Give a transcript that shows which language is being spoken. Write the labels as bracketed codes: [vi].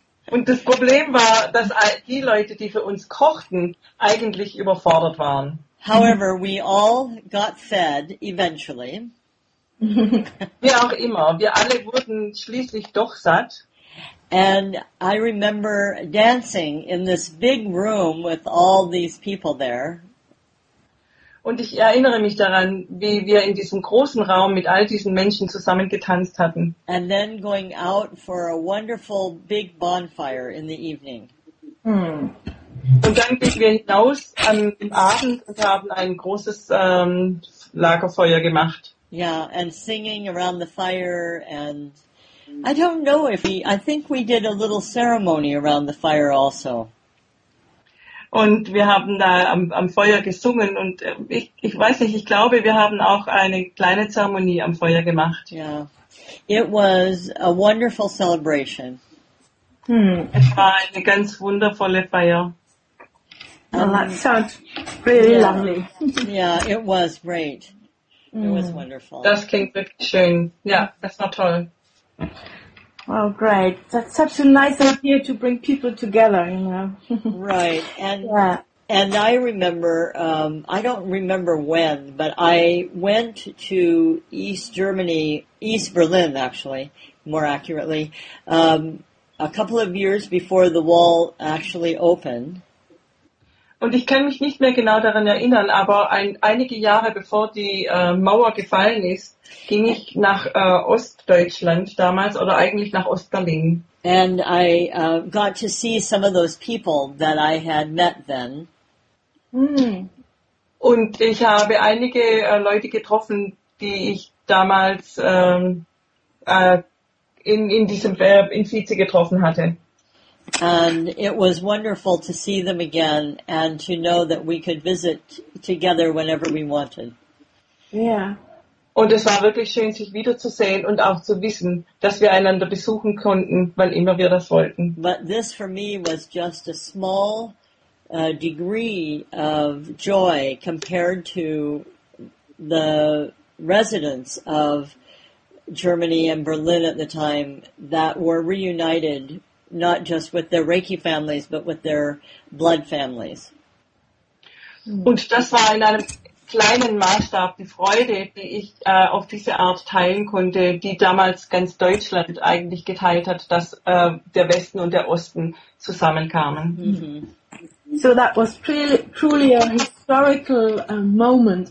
[de] Und das Problem war, dass die Leute, die für uns kochten, eigentlich überfordert waren. [en] However, we all got fed eventually. [de] Wie auch immer, wir alle wurden schließlich doch satt. [en] And I remember dancing in this big room with all these people there. [de] Und ich erinnere mich daran, wie wir in diesem großen Raum mit all diesen Menschen zusammen getanzt hatten. [en] And then going out for a wonderful big bonfire in the evening. [de] Und dann gingen wir hinaus am Abend und haben ein großes Lagerfeuer gemacht. [en] Yeah, and singing around the fire, and I don't know if I think we did a little ceremony around the fire also. [de] Und wir haben da am Feuer gesungen und ich weiß nicht, ich glaube, wir haben auch eine kleine Zeremonie am Feuer gemacht. [en] Yeah. It was a wonderful celebration. [de] Es war eine ganz wundervolle Feier. [en] Well, that sounds really lovely. Yeah, it was great. It was wonderful. [de] Das klingt wirklich schön. Ja, das war toll. [en] Oh, great. That's such a nice idea to bring people together, you know. Right. And and I remember, I don't remember when, but I went to East Berlin, actually, more accurately, a couple of years before the wall actually opened. [de] Und ich kann mich nicht mehr genau daran erinnern, aber einige Jahre bevor die Mauer gefallen ist, ging ich nach Ostdeutschland damals oder eigentlich nach Ostberlin. [en] And I got to see some of those people that I had met then. [de] Und ich habe einige Leute getroffen, die ich damals in Vize getroffen hatte. [en] And it was wonderful to see them again and to know that we could visit together whenever we wanted. Yeah. [de] Und es war wirklich schön, sich wiederzusehen und auch zu wissen, dass wir einander besuchen konnten, wann immer wir das wollten. [en] But this for me was just a small degree of joy compared to the residents of Germany and Berlin at the time that were reunited not just with their Reiki families, but with their blood families. [de] Und das war in einem kleinen Maßstab die Freude, die ich auf diese Art teilen konnte, die damals ganz Deutschland eigentlich geteilt hat, dass der Westen und der Osten zusammenkamen. [en] So that was truly a historical moment.